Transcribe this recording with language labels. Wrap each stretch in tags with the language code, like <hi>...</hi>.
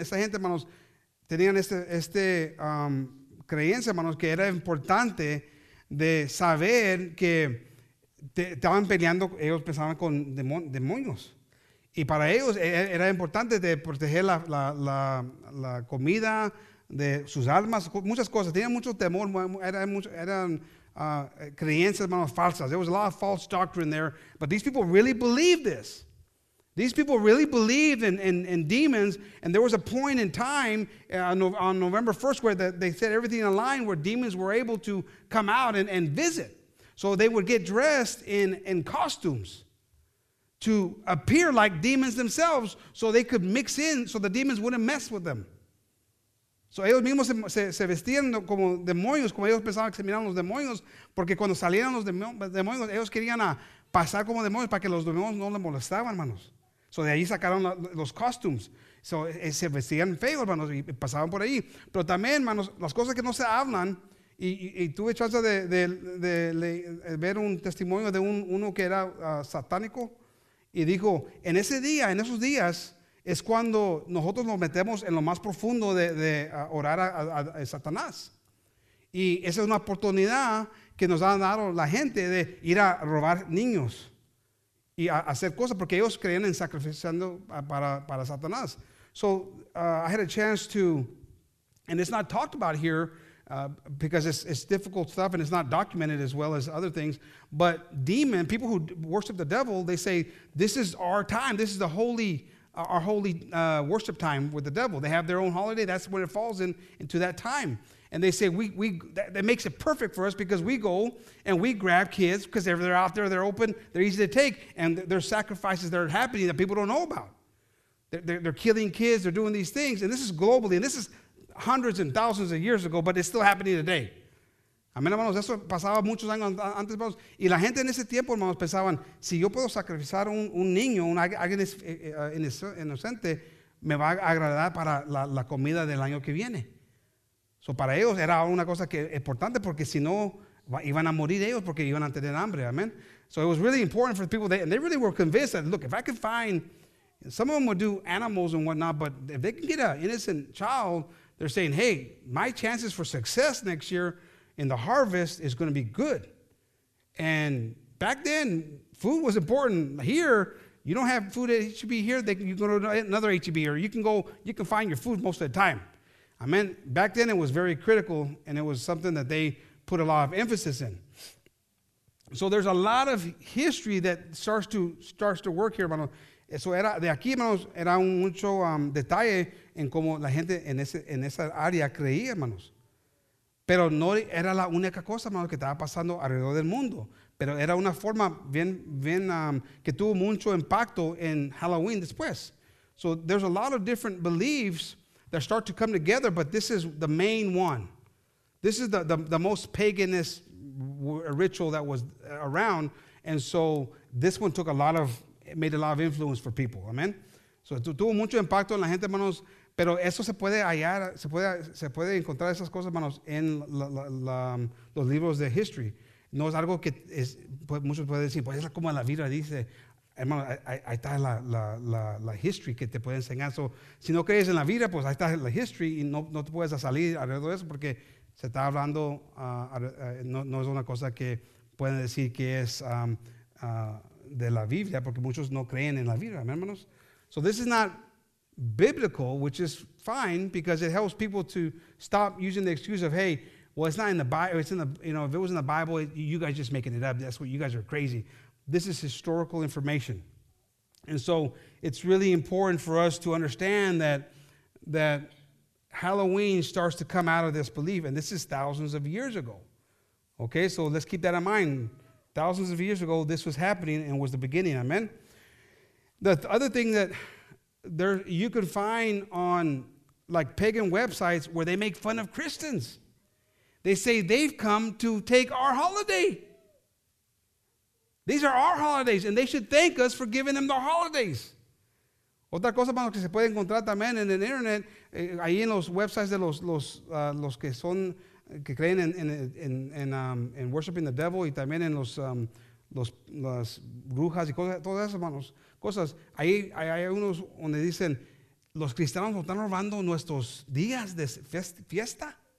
<es>Esa gente, hermanos, tenían este creencia, hermanos, que era importante de saber que estaban peleando, ellos pensaban con demonios. Y para ellos era importante de proteger la comida de sus almas, muchas cosas. Tenían mucho temor, eran creencias, hermanos, falsas.</es> <en>There was a lot of false doctrine there, but these people really believed this. These people really believed in demons, and there was a point in time on November 1st where they set everything in line where demons were able to come out and visit. So they would get dressed in costumes to appear like demons themselves so they could mix in so the demons wouldn't mess with them.</en> <es>So ellos mismos se vestían como demonios, como ellos pensaban que se miraban los demonios, porque cuando salieron los demonios, ellos querían pasar como demonios para que los demonios no les molestaban, hermanos. So de ahí sacaron los costumes. So se vestían feos, hermanos, y pasaban por ahí. Pero también, hermanos, las cosas que no se hablan, y tuve chance de ver un testimonio de uno que era satánico, y dijo, en ese día, en esos días, es cuando nosotros nos metemos en lo más profundo de orar a Satanás. Y esa es una oportunidad que nos han dado la gente de ir a robar niños y a hacer cosas porque ellos creían en sacrificando para Satanás.</es> <en>So I had a chance to, and it's not talked about here because it's difficult stuff and it's not documented as well as other things, but demon, people who worship the devil, they say, this is our time, this is the holy, our holy worship time with the devil. They have their own holiday, that's when it falls into that time. And they say, that makes it perfect for us because we go and we grab kids because they're out there, they're open, they're easy to take, and there's sacrifices that are happening that people don't know about. They're killing kids, they're doing these things, and this is globally, and this is hundreds and thousands of years ago, but it's still happening today.</en> <es>Amén, hermanos, eso pasaba muchos años antes, hermanos. Y la gente en ese tiempo, hermanos, pensaban, si yo puedo sacrificar un niño, alguien es inocente, me va a agradar para la comida del año que viene. So para ellos era una cosa que importante porque si no iban a morir ellos porque iban a tener hambre, amen.</es> <en>So it was really important for the people that, and they really were convinced that, look, if I can find, some of them would do animals and whatnot, but if they can get an innocent child, they're saying, hey, my chances for success next year in the harvest is going to be good. And back then, food was important. Here, you don't have food at HEB here, you can go to another HEB, or you can find your food most of the time. Amen. Back then it was very critical and it was something that they put a lot of emphasis in. So there's a lot of history that starts to work here, hermanos.</en> <es>Eso era de aquí, hermanos, era mucho detalle en cómo la gente en esa área creía, hermanos. Pero no era la única cosa, hermanos, que estaba pasando alrededor del mundo. Pero era una forma bien que tuvo mucho impacto en Halloween después.</es> <en>So there's a lot of different beliefs that start to come together, but this is the main one. This is the most paganist ritual that was around, and so this one took made a lot of influence for people. Amen.</en> <es>So tuvo mucho impacto en la gente, hermanos. Pero eso se puede hallar, se puede encontrar esas cosas, hermanos, en los libros de history. No es algo que muchos pueden decir, pues es como la Biblia dice. Hermano, ahí está la history que te puede enseñar. So, si no crees en la vida, pues ahí está la history y no te puedes salir alrededor de eso porque se está hablando, no es una cosa que pueden decir que es de la Biblia porque muchos no creen en la vida, hermanos.</es> <en>So this is not biblical, which is fine because it helps people to stop using the excuse of, hey, well, it's not in the Bible. It's in the, you know, if it was in the Bible, you guys just making it up. That's what you guys are crazy. This is historical information. And so it's really important for us to understand that Halloween starts to come out of this belief, and this is thousands of years ago. Okay, so let's keep that in mind. Thousands of years ago, this was happening and was the beginning, amen? The other thing that you can find on like pagan websites where they make fun of Christians. They say they've come to take our holiday. These are our holidays, and they should thank us for giving them the holidays.</en> <es>Otra cosa, hermanos, que se puede encontrar también en el internet, ahí en los websites de los que son, que creen en</es> <en>worshiping the devil,</en> <es>y también en las brujas y cosas, todas esas, hermanos, cosas. Ahí hay unos donde dicen, los cristianos nos están robando nuestros días de fiesta.</es>